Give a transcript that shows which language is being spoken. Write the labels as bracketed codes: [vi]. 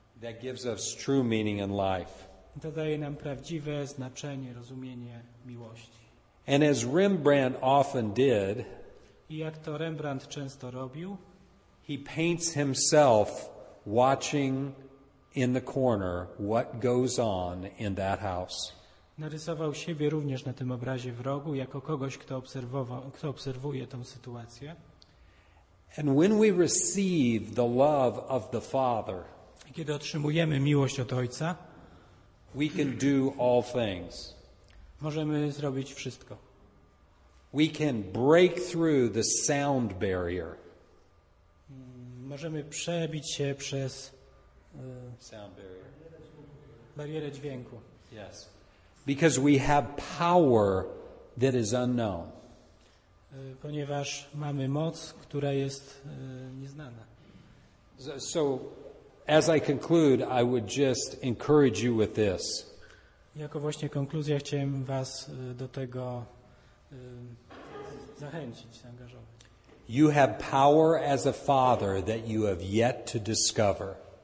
[en] That gives us true meaning in life. [pl] To daje nam prawdziwe znaczenie, rozumienie miłości. [en] And as Rembrandt often did, [pl] i jak to Rembrandt często robił, [en] he paints himself watching in the corner what goes on in that house. [pl] Narysował siebie również na tym obrazie w rogu jako kogoś, kto obserwuje tą sytuację. [en] And when we receive the love of the father, [pl] kiedy otrzymujemy miłość od ojca, [en] We can do all things. [pl] Możemy zrobić wszystko. [en] We can break through the sound barrier. [pl] Możemy przebić się przez [en] sound barrier. [pl] Barierę dźwięku. [en] Yes. Because we have power that is unknown. [pl] Ponieważ mamy moc, która jest nieznana. [en] So as I conclude, I would just encourage you with this. [pl] Jako właśnie konkluzja chciałem was do tego zachęcić, zaangażować. [en] You have power as a father that you have yet to discover.